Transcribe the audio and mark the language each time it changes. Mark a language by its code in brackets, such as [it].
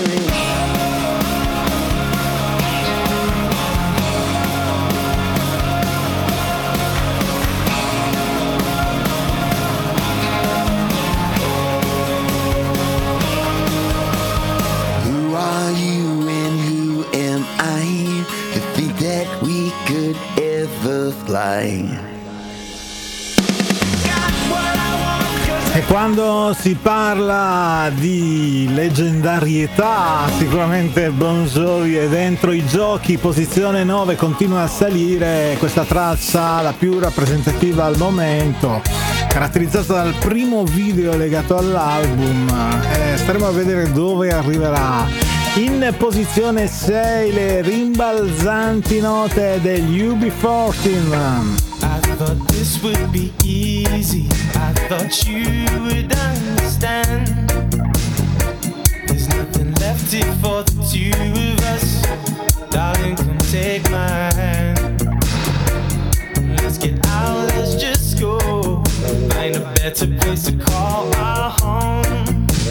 [en] Who are you and who am I to think that we could ever fly? [it] E quando si parla di leggendarietà, sicuramente Bon Jovi è dentro i giochi, posizione 9, continua a salire questa traccia, la più rappresentativa al momento, caratterizzata dal primo video legato all'album. Staremo a vedere dove arriverà. In posizione 6, le rimbalzanti note degli UB40. [en] I thought this would be easy, I thought you would understand. There's nothing left here for the two of us. Darling, come take my hand. Let's get out, let's just go. Find a better place to call our home.